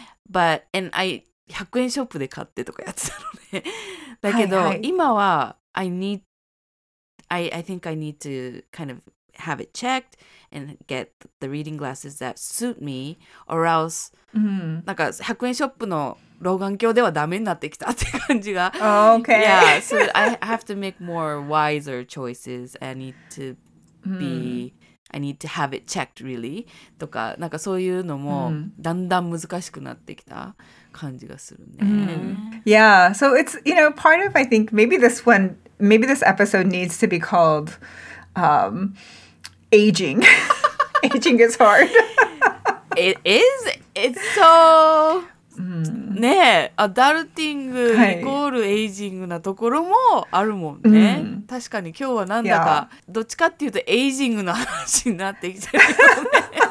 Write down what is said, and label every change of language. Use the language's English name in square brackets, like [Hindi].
[English] But, and I [Japanese] 100円ショップで買ってとかやってたので、ね、だけど今は [English] I think I need to kind of have it checked and get the reading glasses that suit me or else、 [Japanese] なんか100円ショップの老眼鏡ではダメになってきたって感じが。 [English] Oh, okay. Yeah, so I have to make more wiser choices. I need to be,、I need to have it checked really. [Japanese] とか、なんかそういうのもだんだん難しくなってきた感じがするね。 [English] Yeah, so it's, you know, part of, I think, maybe this episode needs to be called、aging. aging is hard. It is. It's so... [Japanese] ねえ、アダルティングイコールエイジングなところもあるもんね、はい、確かに今日はなんだかどっちかっていうとエイジングの話になってきちゃうよね。